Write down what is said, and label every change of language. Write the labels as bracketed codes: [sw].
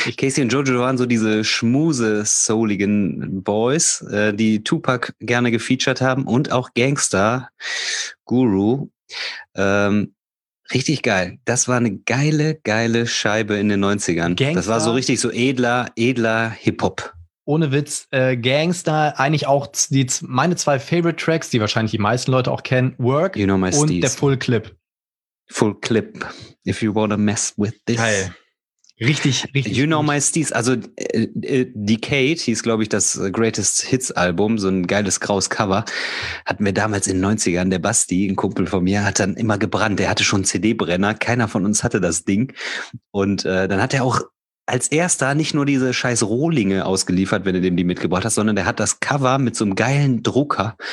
[de] Casey und Jojo waren so diese schmuse-souligen Boys, die Tupac gerne gefeatured haben und auch Gangster, Guru. Richtig geil. Das war eine geile, geile Scheibe in den 90ern. Gangster. Das war so richtig so edler Hip-Hop. Ohne Witz, Gangster, eigentlich auch meine zwei Favorite Tracks, die wahrscheinlich die meisten Leute auch kennen, Work, [en] you know, [de] und der Full Clip. [en] Full Clip, if you wanna mess with this. [de] Geil. Richtig, richtig. You know my Steez, also Decade hieß, glaube ich, das Greatest Hits Album, so ein geiles graues Cover, hatten wir damals in den 90ern. Der Basti, ein Kumpel von mir, hat dann immer gebrannt. Der hatte schon CD-Brenner, keiner von uns hatte das Ding. Und dann hat er auch als erster nicht nur diese scheiß Rohlinge ausgeliefert, wenn du dem die mitgebracht hast, sondern der hat das Cover mit so einem geilen Drucker.